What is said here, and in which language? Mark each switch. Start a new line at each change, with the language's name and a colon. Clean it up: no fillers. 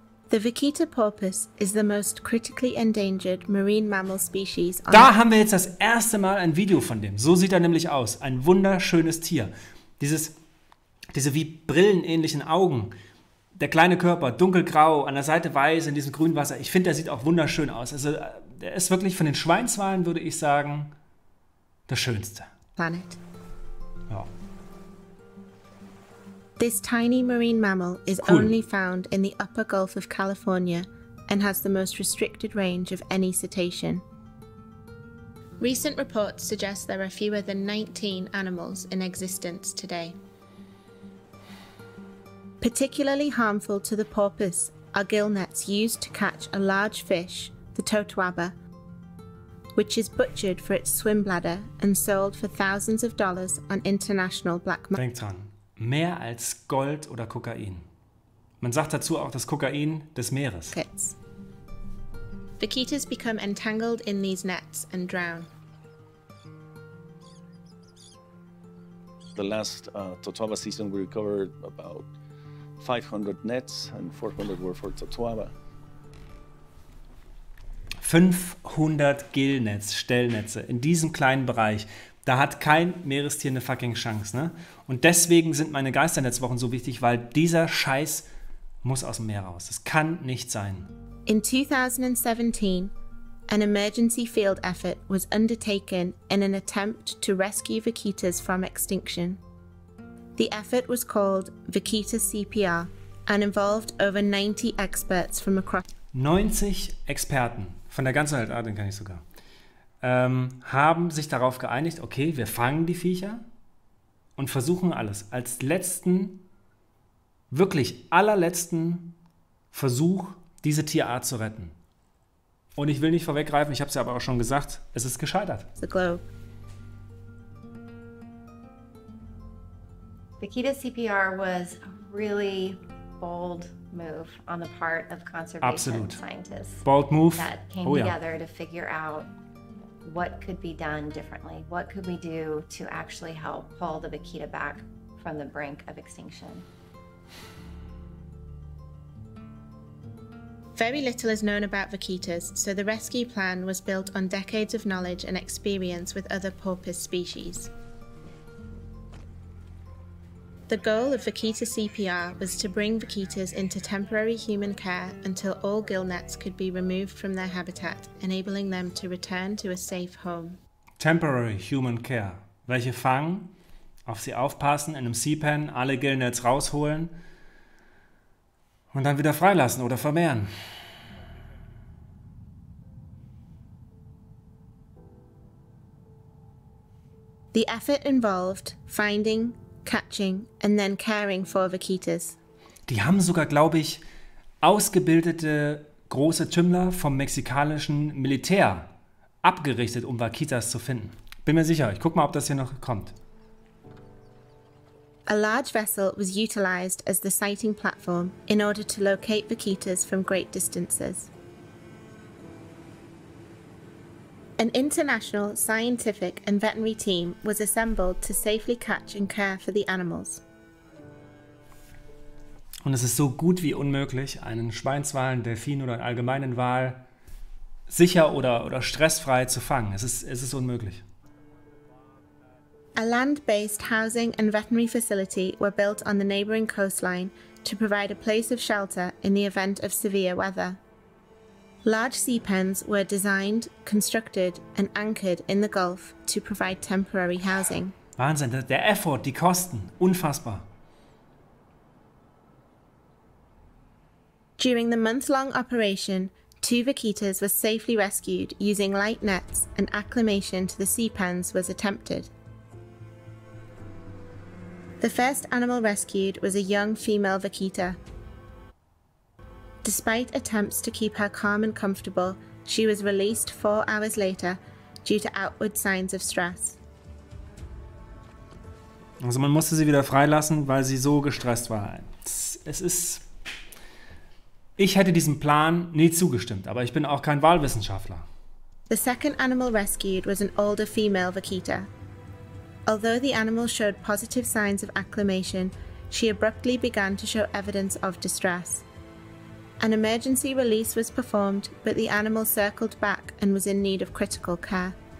English: The Vakita porpoise is the most critically endangered marine mammal species.
German: Da haben wir jetzt das erste Mal ein Video von dem. So sieht er nämlich aus. Ein wunderschönes Tier. Diese wie brillenähnlichen Augen. Der kleine Körper, dunkelgrau, an der Seite weiß, in diesem grünen Wasser. Ich finde, der sieht auch wunderschön aus. Also, der ist wirklich von den Schweinswalen, würde ich sagen, das Schönste. Planet. Ja.
English: This tiny marine mammal is cool. Only found in the upper Gulf of California and has the most restricted range of any cetacean. Recent reports suggest there are fewer than 19 animals in existence today. Particularly harmful to the porpoise are gill nets used to catch a large fish, the totoaba, which is butchered for its swim bladder and sold for thousands of dollars on international black market.
German: Mehr als Gold oder Kokain. Man sagt dazu auch das Kokain des Meeres.
English: Kids. Vaquitas become entangled in these nets and drown. The last totoaba season we recovered about 500 nets and 400 were for totoaba.
German: 500 Gillnetz, Stellnetze in diesem kleinen Bereich. Da hat kein Meerestier eine fucking Chance, ne? Und deswegen sind meine Geisternetzwochen so wichtig, weil dieser Scheiß muss aus dem Meer raus. Das kann nicht sein.
English: In 2017, an emergency field effort was undertaken in an attempt to rescue vaquitas from extinction. The effort was called Vaquita CPR and involved over 90 experts from across...
German: 90 Experten von der ganzen Welt, den kann ich sogar... haben sich darauf geeinigt, okay, wir fangen die Viecher und versuchen alles. Als letzten, wirklich allerletzten Versuch, diese Tierart zu retten. Und ich will nicht vorweggreifen, ich habe es ja aber auch schon gesagt, es ist gescheitert.
English: The Globe. Vaquita CPR was a really bold move on the part of conservation.
German: Absolut.
English: Scientists. Bold move. That came together to figure out what could be done differently? What could we do to actually help pull the vaquita back from the brink of extinction? Very little is known about vaquitas, so the rescue plan was built on decades of knowledge and experience with other porpoise species. The goal of Vaquita CPR was to bring vaquitas into temporary human care until all gill nets could be removed from their habitat, enabling them to return to a safe home. Temporary human care.
German: Welche fangen, auf sie aufpassen, in einem Sea Pen alle gill nets rausholen und dann wieder freilassen oder vermehren.
English: The effort involved finding, catching and then caring for vaquitas.
German: Die haben sogar, glaube ich, ausgebildete große Tümmler vom mexikanischen Militär abgerichtet, um Vaquitas zu finden. Bin mir sicher. Ich guck mal, ob das hier noch kommt.
English: A large vessel was utilized as the sighting platform in order to locate vaquitas from great distances. An international scientific and veterinary team was assembled to safely catch and care for the animals.
German: Und es ist so gut wie unmöglich, einen Schweinswal, einen Delfin oder einen allgemeinen Wal sicher oder stressfrei zu fangen. Es ist unmöglich.
English: A land-based housing and veterinary facility were built on the neighboring coastline to provide a place of shelter in the event of severe weather. Large sea pens were designed, constructed and anchored in the Gulf to provide temporary housing.
German: Wahnsinn, der Effort, die Kosten, unfassbar.
English: During the month-long operation, two vaquitas were safely rescued using light nets and acclimation to the sea pens was attempted. The first animal rescued was a young female vaquita. Despite attempts to keep her calm and comfortable, she was released 4 hours later due to outward signs of stress.
German: Also man musste sie wieder freilassen, weil sie so gestresst war. Es es ist, ich hätte diesem Plan nie zugestimmt, aber ich bin auch kein Walwissenschaftler.
English: The second animal rescued was an older female vaquita. Although the animal showed positive signs of acclimation, she abruptly began to show evidence of distress. An emergency release was performed, but the animal circled back and was in need of critical care.